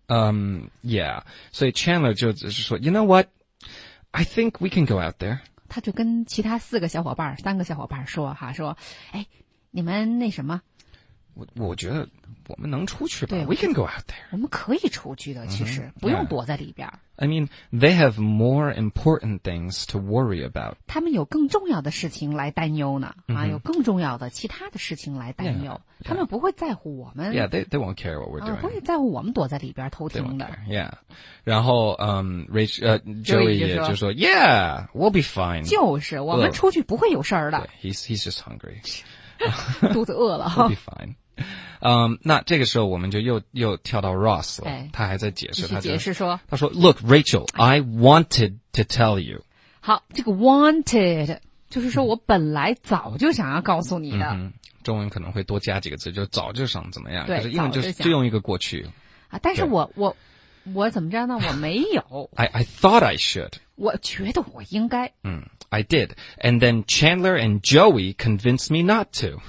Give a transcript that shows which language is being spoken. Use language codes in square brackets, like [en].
[en] Yeah， [zh] 所以 Chandler 就是说 [en] ，You know what？ I think we can go out there。 [zh] 他就跟其他四个小伙伴、三个小伙伴说哈，说，哎，你们那什么？我觉得我们能出去吧。对 [en] ，We can go out there。 [zh] 我们可以出去的，其实不用躲在里边。 [en] Yeah. I mean， they have more important things to worry about。 [zh] 他们有更重要的事情来担忧呢，啊，有更重要的其他的事情来担忧。 [en] Yeah. [zh] 他们不会在乎我们。 [en] Yeah, they won't care what we're doing. [zh] 不会在乎我们躲在里边偷听的。 [en] Yeah. [zh] 然后Joey 也就说 [en] ,Yeah, we'll be fine. [zh] 就是我们出去不会有事儿的。 [en] He's just hungry. [zh] 肚子饿了。 [en] We'll be fine. [zh] 那这个时候我们就又跳到 Ross 了。他还在解释，他解释说。他说 ,Look, Rachel, I wanted to tell you. 好，这个 wanted。就是说我本来早就想要告诉你的。嗯，中文可能会多加几个字，就早就想怎么样，对，可是英文就就用一个过去啊。但是我怎么着呢？我没有。 [en] I thought I should. [zh] 我觉得我应该。 [en] 嗯。I did. And then Chandler and Joey convinced me not to.